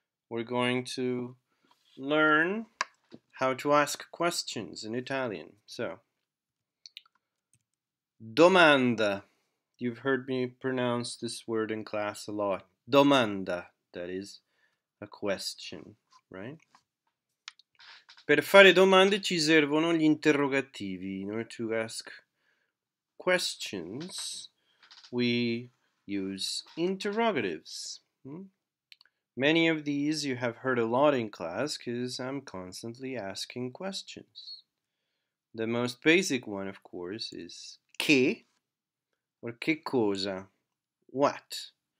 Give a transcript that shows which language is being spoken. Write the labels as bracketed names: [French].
[English] We're going to learn how to ask questions in Italian. So, domanda. You've heard me pronounce this word in class a lot. Domanda, that is a question, right? [Italian] Per fare domande ci servono gli interrogativi. [English] In order to ask questions, we use interrogatives. Many of these you have heard a lot in class because I'm constantly asking questions. The most basic one, of course, is che or che cosa, what.